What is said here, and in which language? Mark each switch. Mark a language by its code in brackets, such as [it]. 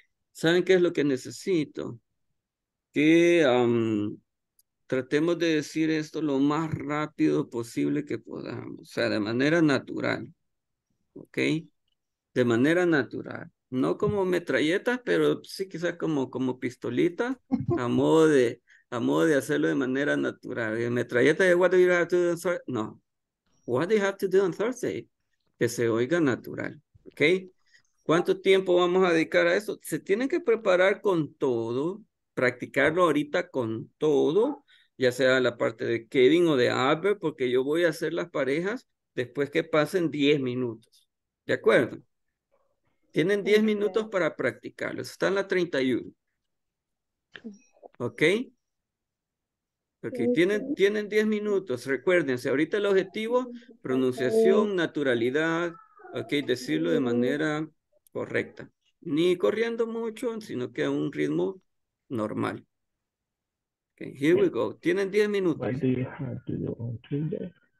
[es] ¿Saben qué es lo que necesito? Que tratemos de decir esto lo más rápido posible que podamos, o sea, de manera natural, ¿ok? De manera natural, no como metralletas, pero sí quizás como pistolita, a modo de hacerlo de manera natural. Y metralleta, [en] what do you have to do on Thursday? No, what do you have to do on Thursday? [es] Que se oiga natural, ¿ok? ¿Cuánto tiempo vamos a dedicar a eso? Se tienen que preparar con todo, practicarlo ahorita con todo, ya sea la parte de Kevin o de Albert, porque yo voy a hacer las parejas después que pasen 10 minutos. ¿De acuerdo? Tienen 10 minutos para practicarlo. Está en la 31. ¿Ok? Ok, tienen 10 minutos. Recuérdense, ahorita el objetivo, pronunciación, naturalidad, ok, decirlo de manera correcta. Ni corriendo mucho, sino que a un ritmo normal. [en] Okay, here we go. [es] Tienen 10 minutos. [en] What do you have to do on Tuesday?